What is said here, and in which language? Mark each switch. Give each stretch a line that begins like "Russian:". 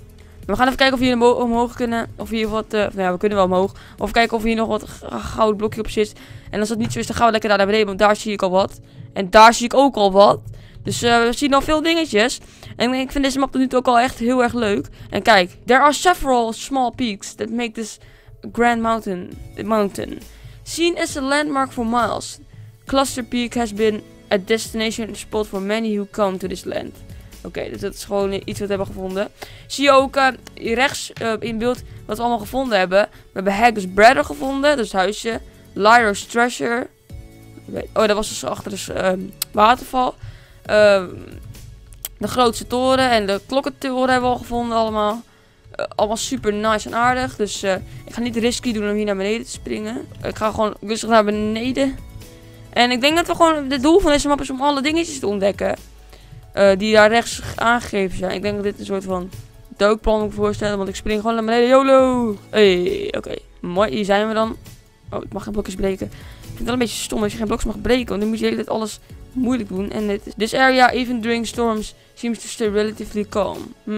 Dutch: Maar we gaan even kijken of we hier omhoog kunnen. Of hier wat... nou ja, we kunnen wel omhoog. Of kijken of hier nog wat goud blokje op zit. En als dat niet zo is, dan gaan we lekker naar beneden. Want daar zie ik al wat. En daar zie ik ook al wat. Dus we zien al veel dingetjes. En ik vind deze map tot nu toe ook al echt heel erg leuk. En kijk.
English: There are several small peaks that make this grand mountain. Seen as a landmark for miles, Cluster Peak has been a destination spot for many who come to this land.
Dutch: Oké, dus dat is gewoon iets wat we hebben gevonden. Zie je ook hier rechts in beeld wat we allemaal gevonden hebben. We hebben Hagrid's Bradder gevonden, dat is het huisje. Lyra's Treasure. Oh, dat was dus achter de waterval. De grootste toren en de klokkentoren hebben we al gevonden allemaal. Allemaal super nice en aardig. Dus ik ga niet risky doen om hier naar beneden te springen. Ik ga gewoon rustig naar beneden. En ik denk dat we gewoon... Het doel van deze map is om alle dingetjes te ontdekken. Die daar rechts aangegeven zijn. Ik denk dat dit een soort van duikplan moet voorstellen. Want ik spring gewoon naar beneden. YOLO! Hey, oké. Mooi, hier zijn we dan. Oh, ik mag geen blokjes breken. Ik vind het wel een beetje stom als je geen blokjes mag breken. Want dan moet je de hele tijd alles moeilijk doen. En dit is...
English: This area, even during storms, seems to stay relatively calm.